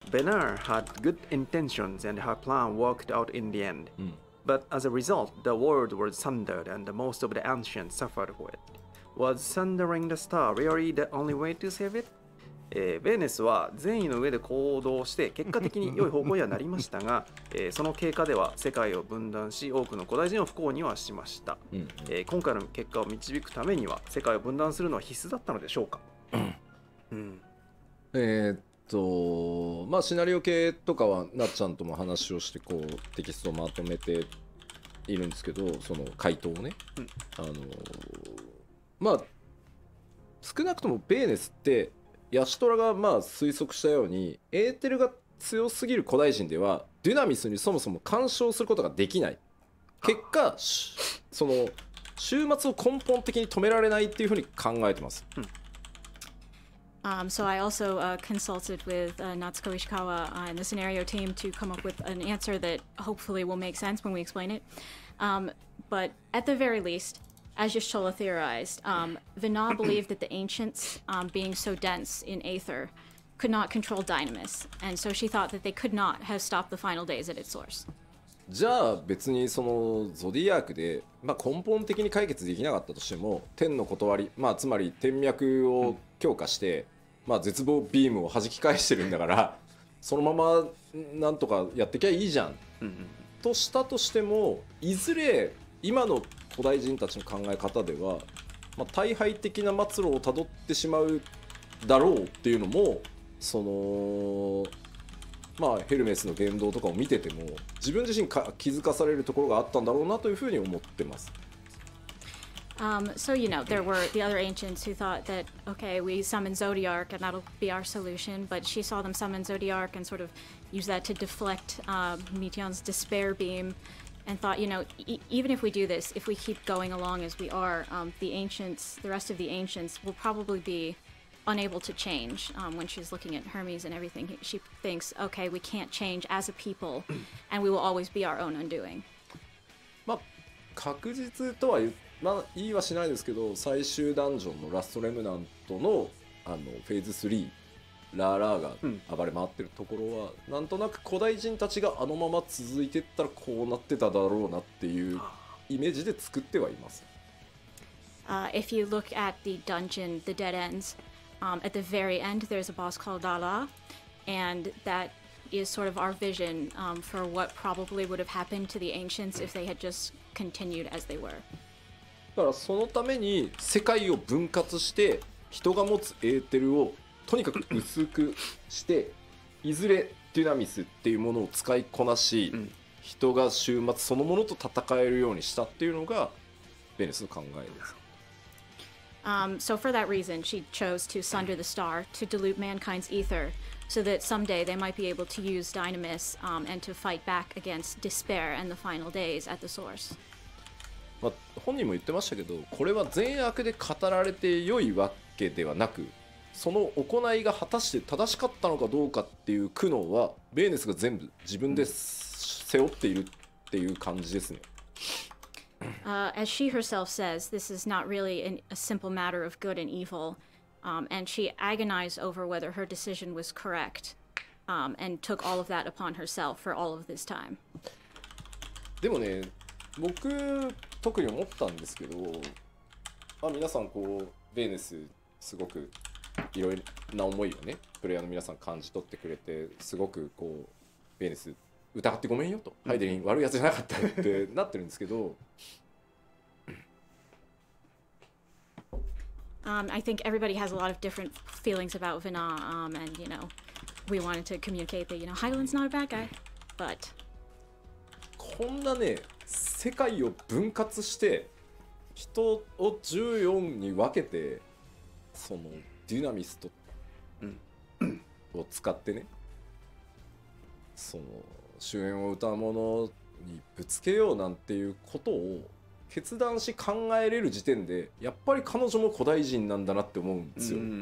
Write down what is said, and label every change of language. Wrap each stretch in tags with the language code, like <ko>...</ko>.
<en>Benar had good intentions and her plan worked out in the end. Mm. But as a result, the world was sundered and most of the ancients suffered for it. Was sundering the star really the only way to save it?</en> <ja>ベネスは善意の上で行動して結果的に良い方向にはなりましたが、その経過では世界を分断し多くの古代人を不幸にはしました、うん今回の結果を導くためには世界を分断するのは必須だったのでしょうか、うんうん、まあシナリオ系とかはなっちゃんとも話をしてこうテキストをまとめているんですけどその回答をね、うん、まあ少なくともベネスってヤシトラがまあ推測したようにエーテルが強すぎる古代人ではデュナミスにそもそも干渉することができない結果その終末を根本的に止められないっていうふうに考えてます、</ja> <en>うん So I also consulted with Natsuko Ishikawa and the scenario team to come up with an answer that hopefully will make sense when we explain it but at the very leastAs Yoshola theorized, Vinod believed that the ancients, being so dense in aether, could not control dynamis, and so she thought that they could not have stopped the final days at its source.</en> <ja>じゃあ別にそのゾディアークで、まあ、根本的に解決できなかったとしても天の断り、まあ、つまり天脈を強化して、まあ、絶望ビームを弾き返してるんだからそのままなんとかやってきゃいいじゃんとしたとしてもいずれ今の古代人たちの考え方では、まあ、大敗的な末路をたどってしまうだろうっていうのもそのまあヘルメスの言動とかを見てても自分自身か気づかされるところがあったんだろうなというふうに思ってます。</ja> <en>So you know, there were the other ancients who thought that okay, we summon Zodiarc and that'll be our solution, but she saw them summon Zodiarc and sort of use that to deflect Mithyon's despair beam. And thought, you know, even if we do this, if we keep going along as we are, the ancients, the rest of the ancients, will probably be unable to change. When she's looking at Hermes and everything, she thinks, okay, we can't change as a people, and we will always be our own undoing.</en> <ja>まあ確実とは言いはしないですけど、最終ダンジョンのラストレムナントのあのフェーズ3。ラーラーが暴れ回ってるところは、うん、なんとなく古代人たちがあのまま続いてったらこうなってただろうなっていうイメージで作ってはいます。</ja> <en>If you look at the dungeon, the dead ends, at the very end, there's a boss called Dala, and that is sort of our vision for what probably would have happened to the ancients if they had just continued as they were.</en> <ja>だからそのために世界を分割して人が持つエーテルをとにかく薄くしていずれデュナミスっていうものを使いこなし、うん、人が終末そのものと戦えるようにしたっていうのがベネスの考えです。</ja> <en>So for that reason, she chose to sunder the star to dilute mankind's ether so that someday they might be able to use dynamis and to fight back against despair and the final days at the source.</en> <ja>まあ本人も言ってましたけど、これは善悪で語られて良いわけではなく。その行いが果たして正しかったのかどうかっていう苦悩はベーネスが全部自分で背負っているっていう感じですね。</ja> <en>As she herself says, this is not really a simple matter of good and evil, and she agonized over whether her decision was correct, and took all of that upon herself for all of this time.</en> <ja>でもね、僕特に思ったんですけど、まあ皆さんこうベーネスすごくいろいろな思いをねプレイヤーの皆さん感じ取ってくれてすごくこうベネス疑ってごめんよとハイデリン悪いやつじゃなかったってなってるんですけど、</ja> <en>I think everybody has a lot of different feelings about Vina, and you know, we wanted to communicate that you know, Hydaelyn's not a bad guy, but</en> <ja>こんなね世界を分割して人を14に分けてそのデュナミストを使ってね、その主演を歌う者にぶつけようなんていうことを決断し考えれる時点で、やっぱり彼女も古代人なんだなって思うんですよ。</ja>